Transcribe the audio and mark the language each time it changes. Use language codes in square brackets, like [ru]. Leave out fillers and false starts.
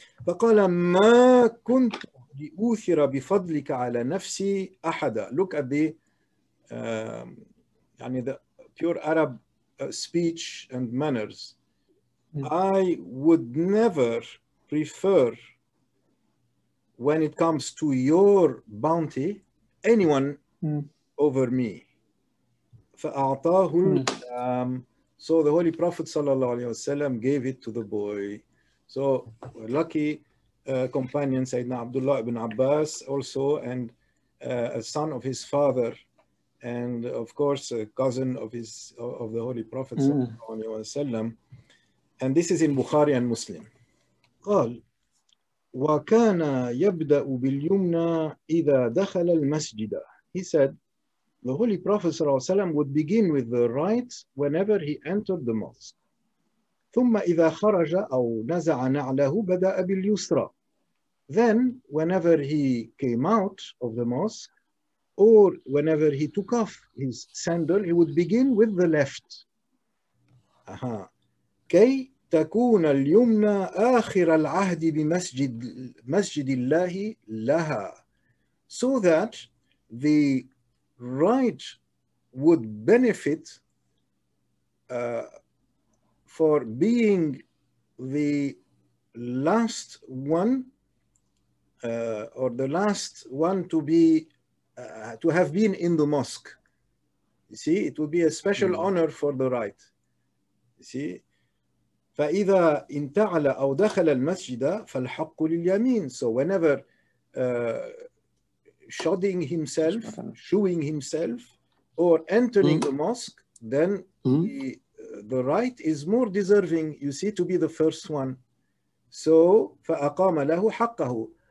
[ar] فقال ما كنت لأوثر بفضلك على نفسي أحدا. [en] Look at the pure Arab speech and manners. I would never prefer, when it comes to your bounty, anyone over me. [ar] فَأَعْطَاهُ [en] So the Holy Prophet sallallahu alayhi wasallam gave it to the boy. So lucky companion Sayyidina Abdullah ibn Abbas also, and a son of his father, and of course a cousin of his of the Holy Prophet sallallahu alayhi wasallam. And this is in Bukhari and Muslim. [ar] قال وكان يبدأ باليمنى إذا دخل المسجد. [en] He said, the Holy Prophet [ar] صلى الله عليه وسلم [en] would begin with the right whenever he entered the mosque. [ar] ثم إذا خرج أو نزع نعله بدأ باليسرى. [en] Then, whenever he came out of the mosque, or whenever he took off his sandal, he would begin with the left. Aha. [ar] كي تكون اليمنى آخر العهد بمسجد مسجد الله لها. [en] So that the right would benefit for being the last one or the last one to be to have been in the mosque. You see, it would be a special honor for the right. You see. [ar] فإذا انتعل أو دخل المسجد فالحق لليمين. [en] So whenever shodding himself, shoeing himself, or entering the mosque, then the right is more deserving, you see, to be the first one. [ar] So فأقام له حقه.